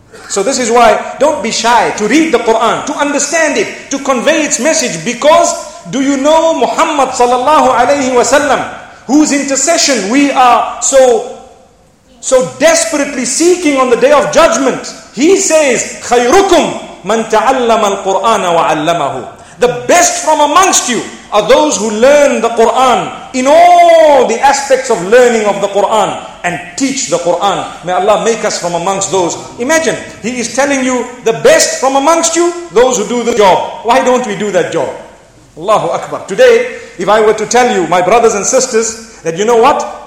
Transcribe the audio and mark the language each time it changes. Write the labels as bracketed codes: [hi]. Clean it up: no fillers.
[en] So this is why, don't be shy to read the Quran, to understand it, to convey its message. Because do you know Muhammad sallallahu alayhi wa sallam, whose intercession we are so desperately seeking on the day of judgment? He says, [ar] khayrukum من تعلم القرآن وعلمه. [en] The best from amongst you are those who learn the Quran in all the aspects of learning of the Quran and teach the Quran. May Allah make us from amongst those. Imagine, He is telling you the best from amongst you, those who do the job. Why don't we do that job? Allahu Akbar. Today, if I were to tell you, my brothers and sisters, that you know what?